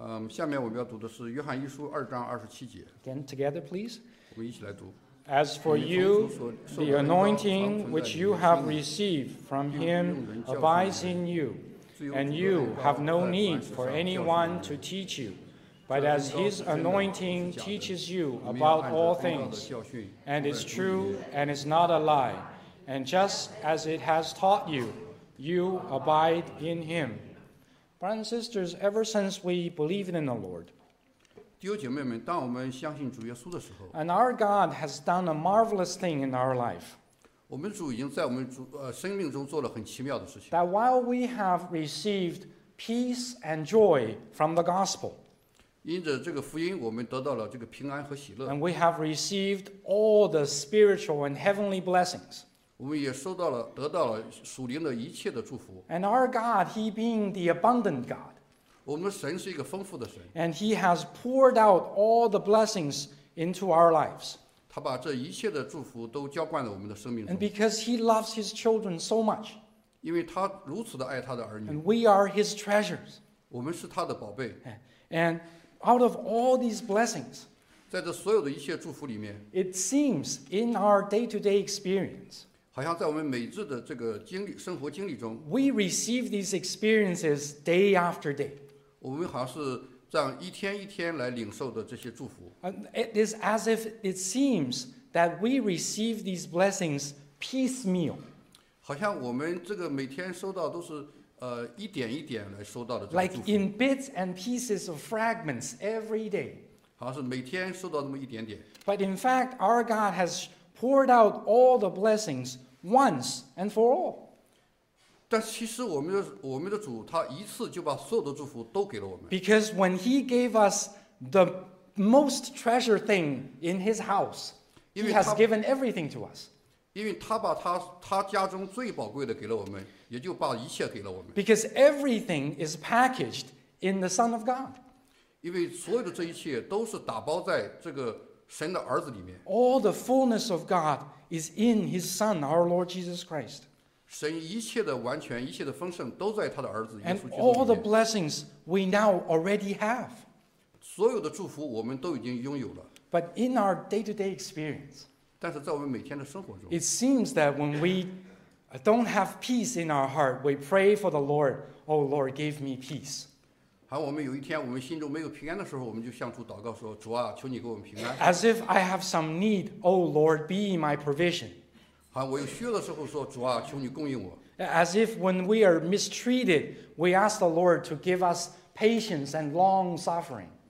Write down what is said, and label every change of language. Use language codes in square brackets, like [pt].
[zh] 下面我们要读的是约翰一书二章二十七节。 [en] Again, together, please. [zh] 我们一起来读。 [en] As for you, the anointing which you have received from him abides in you, and you have no need for anyone to teach you, but as his anointing teaches you about all things, and is true and is not a lie, and just as it has taught you,You abide in him. Brothers and sisters, ever since we believed in the Lord, [zh] 弟兄姐妹们，当我们相信主耶稣的时候， [en] and our God has done a marvelous thing in our life. [zh] 我们主已经在我们主生命中做了很奇妙的事情。 [en] That while we have received peace and joy from the gospel, [zh] 因着这个福音，我们得到了这个平安和喜乐。 [en] And we have received all the spiritual and heavenly blessings. [zh] 我们也收到了，得到了属灵的一切的祝福。 [en] And our God, He being the abundant God, [zh] 我们的神是一个丰富的神。 [en] And He has poured out all the blessings into our lives. [zh] 他把这一切的祝福都浇灌了我们的生命中。 [en] And because He loves His children so much, [zh] 因为他如此的爱他的儿女。 [en] And we are His treasures. [zh] 我们是他的宝贝。 [en] And out of all these blessings, [zh] 在这所有的一切祝福里面， [en] it seems in our day-to-day experience. [zh] 好像在我们每日的这个经历生活经历中 [en] we receive these experiences day after day. [zh] 我们好像是这样一天一天来领受的这些祝福。 [en] It is as if it seems that we receive these blessings piecemeal. [zh] 好像我们这个每天收到都是一点一点来收到的这个祝福。 [en] Like in bits and pieces of fragments every day. [zh] 好像是每天收到那么一点点。 [en] But in fact, our God has poured out all the blessings once and for all. [zh] 但其实我们的主他一次就把所有的祝福都给了我们。 [en] Because when he gave us the most treasured thing in his house, he has given everything to us. [zh] 因为他把他家中最宝贵的给了我们，也就把一切给了我们。 [en] Because everything is packaged in the Son of God. [zh] 因为所有的这一切都是打包在这个神的儿子里面。 [en] All the fullness of God is in His Son, our Lord Jesus Christ. [zh] 神一切的完全，一切的丰盛都在他的儿子耶稣基督里面。 [en] And all the blessings we now already have. [zh] 所有的祝福我们都已经拥有了。 [en] But in our day-to-day experience, [zh] 但是在我们每天的生活中， [en] it seems that when we don't have peace in our heart, we pray for the Lord, Oh Lord, give me peace. [zh] 好，我们有一天我们心中没有平安的时候，我们就向主祷告说：“主啊，求你给我们平安。” [en] As if I have some need, O Lord, be my provision. [zh] 好，我有需要的时候说：“主啊，求你供应我。” [en] As if when we are mistreated, we ask the Lord to give us patience and long suffering.